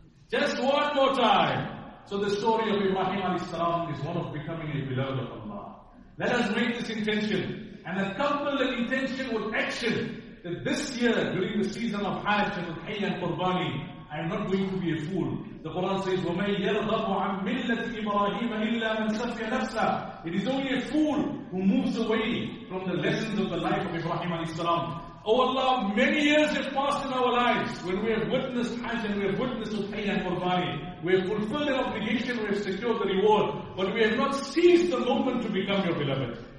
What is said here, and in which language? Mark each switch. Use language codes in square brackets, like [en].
[en] Just one more time. So the story of Ibrahim alayhi salam is one of becoming a beloved of Allah. Let us make this intention. And a couple of intention with action that this year during the season of Hajj and Hayy and Qurbani, I am not going to be a fool. The Quran says, [ar] وَمَنْ يَرْضَبُ عَمْ مِلَّةِ إِبْرَاهِيمَ إِلَّا مَنْ سَفْيَ نَفْسَهُ. [en] It is only a fool who moves away from the lessons of the life of Ibrahim a.s. Oh Allah, many years have passed in our lives when we have witnessed Hajj and we have witnessed with Hayy and Qurbani. We have fulfilled an obligation, we have secured the reward, but we have not seized the moment to become your beloved.